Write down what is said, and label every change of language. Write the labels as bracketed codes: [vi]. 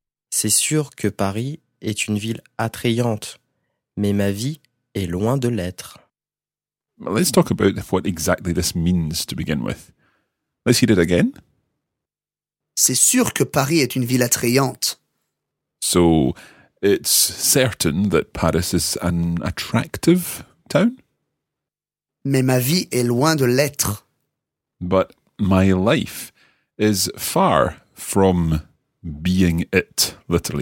[fr] C'est sûr que Paris est une ville attrayante, mais ma vie est loin de l'être. [en] Let's talk about what exactly this means to begin with. Let's hear it again. [fr] C'est sûr que Paris est une ville attrayante. [en] So, it's certain that Paris is an attractive town? [fr] Mais ma vie est loin de l'être. [en] But my life is far from being it, literally.